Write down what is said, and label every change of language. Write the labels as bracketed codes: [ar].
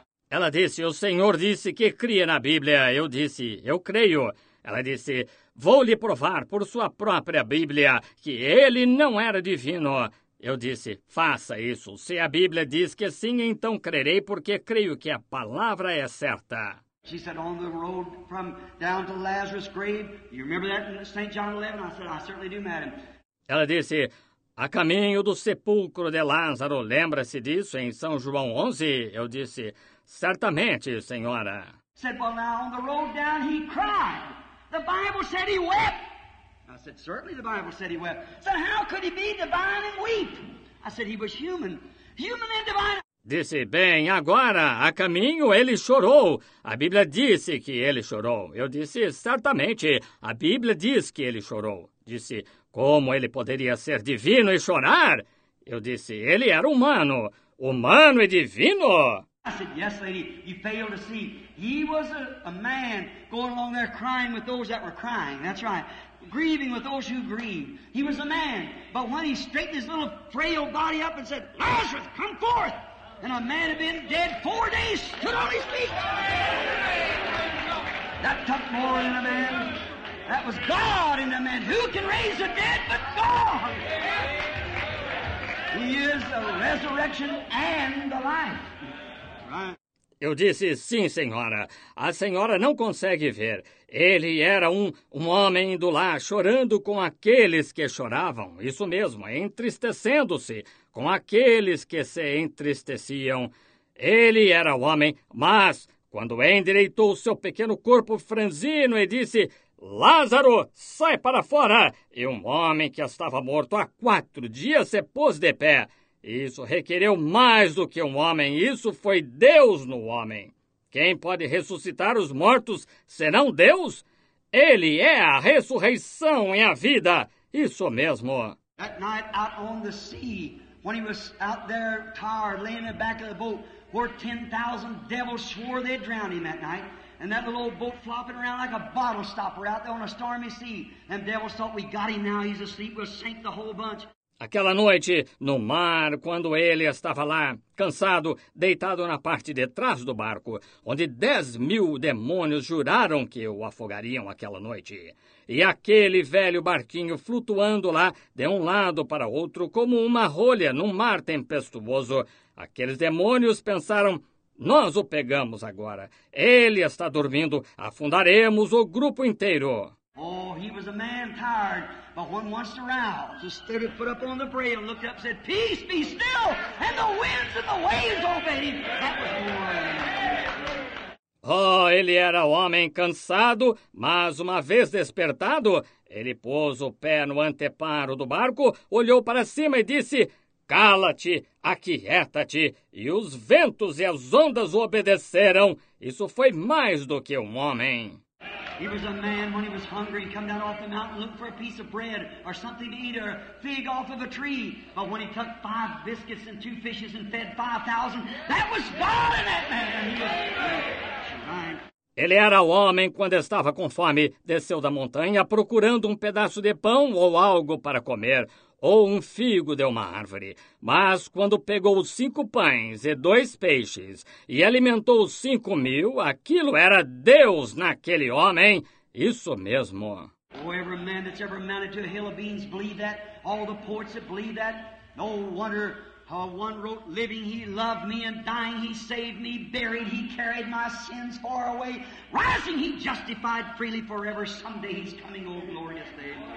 [pt] Ela disse, o Senhor disse que cria na Bíblia. Eu disse, eu creio. Ela disse, vou lhe provar por sua própria Bíblia que ele não era divino. Eu disse, faça isso. Se a Bíblia diz que sim, então crerei porque creio que a palavra é certa. [en] She said, on the road from down to Lazarus' grave. You remember that in St. John 11? I said, I certainly do, madam. [pt] Ela disse, a caminho do sepulcro de Lázaro, lembra-se disso em São João 11? Eu disse, certamente, senhora. [en] Said, well, now on the road down, he cried. The Bible said he wept. I said, certainly the Bible said he wept. So how could he be divine and weep? I said, he was human. Human and divine. [pt] Disse, bem, agora, a caminho, ele chorou. A Bíblia disse que ele chorou. Eu disse, certamente, a Bíblia diz que ele chorou. Disse, como ele poderia ser divino e chorar? Eu disse, ele era humano. Humano e divino? [en] I said, yes, lady, you failed to see. He was a man going along there crying with those that were crying. That's right. Grieving with those who grieve. He was a man. But when he straightened his little frail body up and said, Lazarus, come forth! And a man had been dead 4 days, stood on his feet. That took more than a man. That was God in the man. Who can raise the dead but God? He is the resurrection and the life. Right. [pt] Eu disse, sim, senhora, a senhora não consegue ver. Ele era um homem indo lá, chorando com aqueles que choravam. Isso mesmo, entristecendo-se com aqueles que se entristeciam. Ele era o homem, mas quando endireitou seu pequeno corpo franzino e disse, Lázaro, sai para fora! E um homem que estava morto há 4 dias se pôs de pé. Isso requereu mais do que um homem, isso foi Deus no homem. Quem pode ressuscitar os mortos, senão Deus? Ele é a ressurreição e a vida, isso mesmo. [en] That night out on the sea, when he was out there tired, laying in the back of the boat, where 10,000 devils swore they'd drown him that night, and that little old boat flopping around like a bottle stopper out there on a stormy sea, and devils thought, we got him now, he's asleep, we'll sink the whole bunch. [pt] Aquela noite, no mar, quando ele estava lá, cansado, deitado na parte de trás do barco, onde 10 mil demônios juraram que o afogariam aquela noite. E aquele velho barquinho flutuando lá, de um lado para outro, como uma rolha num mar tempestuoso, aqueles demônios pensaram, nós o pegamos agora, ele está dormindo, afundaremos o grupo inteiro. [en] Oh, he was a man tired, but when once aroused, instead of put up on the braille and looked up and said, peace, be still, and the winds and the waves obeyed him. That was glory. [pt] Oh, ele era um homem cansado, mas uma vez despertado, ele pôs o pé no anteparo do barco, olhou para cima e disse, cala-te, aquieta-te, e os ventos e as ondas o obedeceram. Isso foi mais do que um homem. [en] He was a man when he was hungry, come down off the mountain, look for a piece of bread or something to eat or a fig off of a tree. But when he took 5 biscuits and 2 fishes and fed 5,000, that was God in that man. He was right. [pt] Ele era o homem quando estava com fome, desceu da montanha procurando um pedaço de pão ou algo para comer, ou um figo de uma árvore. Mas quando pegou 5 pães e 2 peixes e alimentou 5 mil, aquilo era Deus naquele homem. Isso mesmo. [en] Oh, every man that's ever mounted to a hill of beans believe that. All the poets that believe that. No wonder how one wrote, living he loved me and dying he saved me. Buried he carried my sins far away. Rising he justified freely forever. Someday he's coming, oh glorious day.